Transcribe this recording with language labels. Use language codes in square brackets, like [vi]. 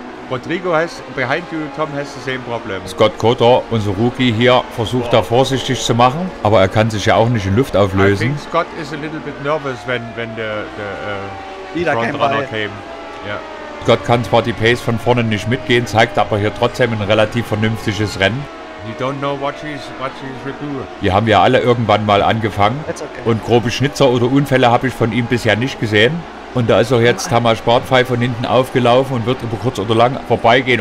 [en] Rodrigo has behind you, Tom has the same problem. [de] Scott Coulter, unser Rookie hier, versucht da vorsichtig zu machen, aber er kann sich ja auch nicht in Luft auflösen. [en] I think Scott is a little bit nervous when the frontrunner came. Yeah. [de] Scott kann zwar die Pace von vorne nicht mitgehen, zeigt aber hier trotzdem ein relativ vernünftiges Rennen. [en] You don't know what she's gonna do. [de] Wir haben ja alle irgendwann mal angefangen. Okay. Und grobe Schnitzer oder Unfälle habe ich von ihm bisher nicht gesehen. Und da ist auch jetzt Tamás Bartfay von hinten aufgelaufen und wird über kurz oder lang vorbeigehen.